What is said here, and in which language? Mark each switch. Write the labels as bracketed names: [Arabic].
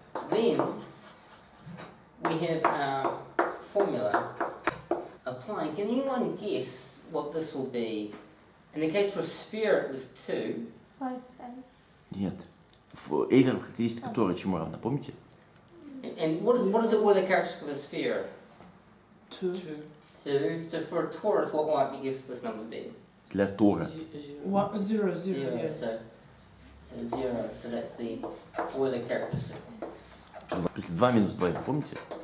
[English] Then we have our formula applying. Can anyone guess what this will be? In the case for a sphere, it was 2. 5a. [Russian] Нет. В эйлер характеристика тоже чему равна, помните? [English] And what is the Euler characteristic of a sphere? 2. 2. So for a torus, what might we guess this number be? [Russian] Для тора. [English] 0, 0. 0, yes. So 0, so that's the Euler characteristic. [Russian] 2 минус 2, помните?